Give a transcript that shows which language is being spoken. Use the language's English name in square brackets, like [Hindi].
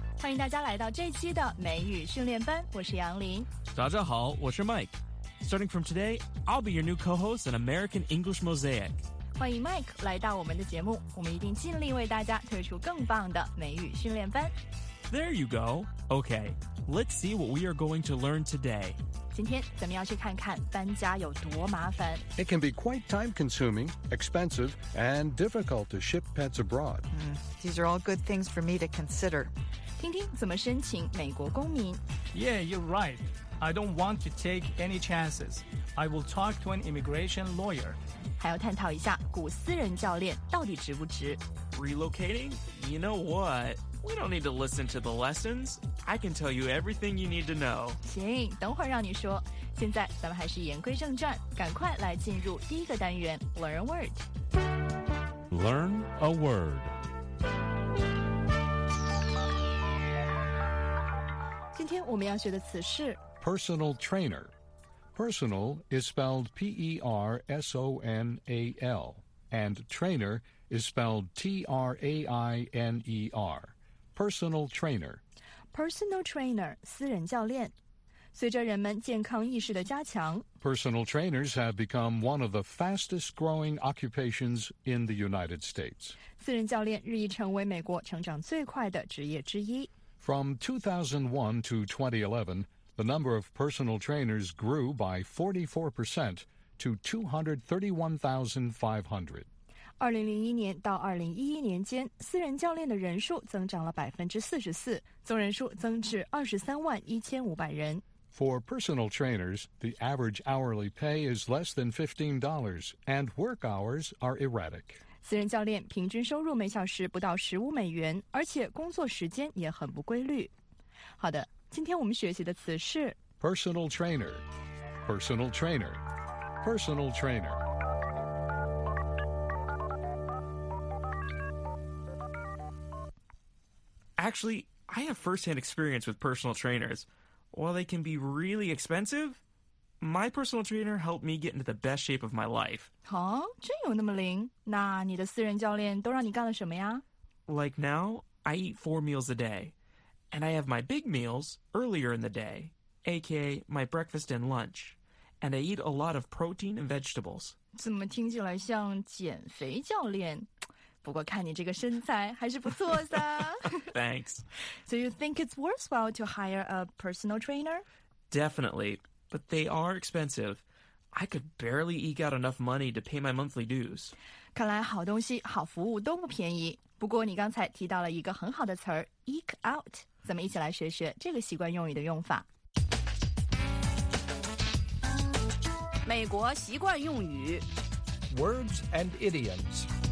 [Chinese] 迎大家来到这期的美语训练班，我是杨林。大家好，我是 Mike。 [English] Starting from today, I'll be your new co-host in American English Mosaic. [Chinese] 欢迎 Mike 来到我们的节目，我们一定尽力为大家推出更棒的美语训练班。 [English] There you go. Okay, let's see what we are going to learn today. [Chinese] 今天咱们要去看看搬家有多麻烦。 [English] It can be quite time-consuming, expensive, and difficult to ship pets abroad. These are all good things for me to consider. [Chinese] 听听怎么申请美国公民。 [English] Yeah, you're right. I don't want to take any chances. I will talk to an immigration lawyer. [Chinese] 还要探讨一下雇私人教练到底值不值。 [English] Relocating? You know what? We don't need to listen to the lessons. I can tell you everything you need to know. [Chinese] 行，等会儿让你说。现在咱们还是言归正传，赶快来进入第一个单元 , [English] Learn a Word. Learn a Word. [Chinese] 今天我们要学的词是 [English] Personal Trainer. Personal is spelled P-E-R-S-O-N-A-L. And trainer is spelled T-R-A-I-N-E-R. Personal trainer. Personal trainer, [Chinese] 私人教练。随着人们健康意识的加强 [English] Personal trainers have become one of the fastest growing occupations in the United States. [Chinese] 私人教练日益成为美国成长最快的职业之一。 [English] From 2001 to 2011, the number of personal trainers grew by 44% to 231,500. [Chinese] 2001年到2011年间，私人教练的人数增长了44%，总人数增至231,500人。 [English] For personal trainers, the average hourly pay is less than $15, and work hours are erratic. [Chinese] 私人教练平均收入每小时不到15美元，而且工作时间也很不规律。好的，今天我们学习的词是 [English] personal trainer, personal trainer, personal trainer. Actually, I have first-hand experience with personal trainers. While they can be really expensive, my personal trainer helped me get into the best shape of my life. Huh? [Chinese] 真有那么灵？那你的私人教练都让你干了什么呀？ [English] Like now, I eat 4 meals a day. And I have my big meals earlier in the day, aka my breakfast and lunch. And I eat a lot of protein and vegetables. [Chinese] 怎么听起来像减肥教练？不过看你这个身材还是不错的。 [English] Thanks. So you think it's worthwhile to hire a personal trainer? Definitely, but they are expensive. I could barely eke out enough money to pay my monthly dues. [Chinese] 看来好东西、好服务都不便宜。不过你刚才提到了一个很好的词儿 ,eke out. 咱们一起来学学这个习惯用语的用法。美国习惯用语 [English] Words and idioms.